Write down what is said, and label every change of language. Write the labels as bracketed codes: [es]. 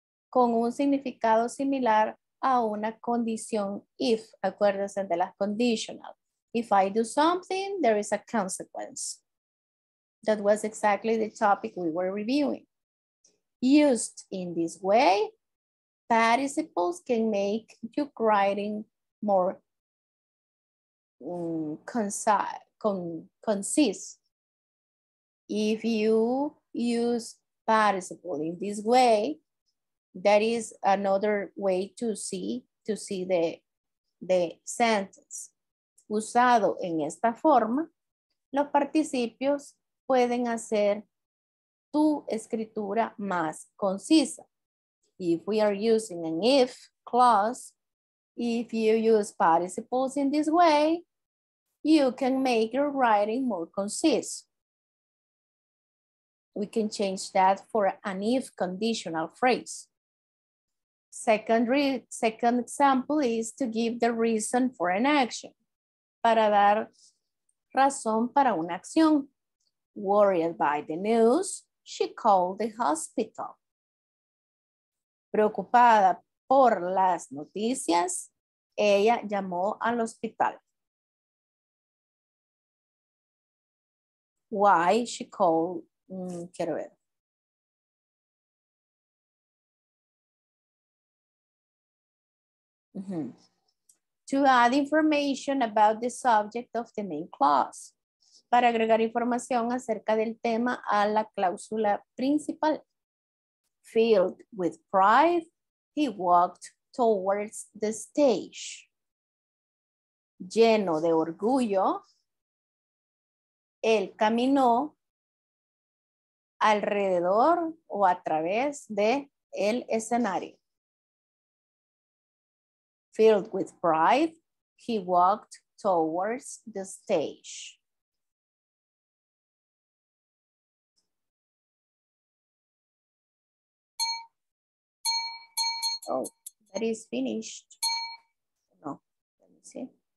[es] Con un significado similar a una condición if. Acuérdense de las conditional. [en] If I do something, there is a consequence. That was exactly the topic we were reviewing. Used in this way, participles can make your writing more concise. If you use participle in this way, that is another way to see the sentence. [es] Usado en esta forma, los participios pueden hacer tu escritura más concisa. [en] If we are using an if clause, if you use participles in this way, you can make your writing more concise. We can change that for an if conditional phrase. Second example is to give the reason for an action. [es] Para dar razón para una acción. [en] Worried by the news, she called the hospital. [es] Preocupada por las noticias, ella llamó al hospital. [en] Why she called, [es] quiero ver. [en] To add information about the subject of the main clause. [es] Para agregar información acerca del tema a la cláusula principal. [en] Filled with pride, he walked towards the stage. [es] Lleno de orgullo, él caminó alrededor o a través de el escenario. [en] Filled with pride, he walked towards the stage. Oh, that is finished. No, let me see.